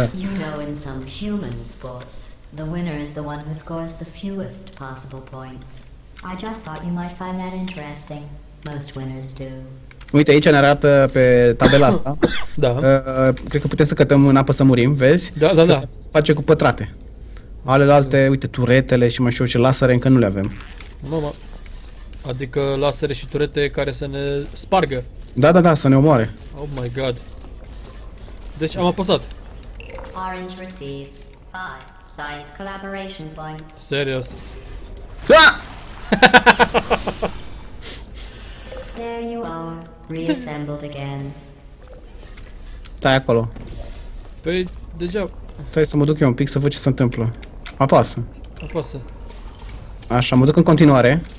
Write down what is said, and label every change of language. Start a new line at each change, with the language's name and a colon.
English: You know, in some human sports, the winner is the one who scores the fewest possible points. I just thought you might find that interesting. Most winners do.
Romanian: Uite, aici ne arată pe tabela asta. Da. Cred că putem să cătăm în apă să murim, vezi? Da, da, da. Se face cu pătrate. Alelalte, uite, turetele și mă știu ce, lasere, încă nu le avem. Mama. Adică lasere și turete care să ne spargă. Da, da, da, să ne omoare.
English: Oh my god.
Romanian: Deci am apăsat.
English: Orange receives 5 science collaboration points.
Romanian: Serios. Da!
English: There you are, reassembled again.
Romanian: Stai acolo. Păi, deja. Stai să mă duc eu un pic să văd ce se întâmplă. Apasă. Apasă. Așa, mă duc în continuare.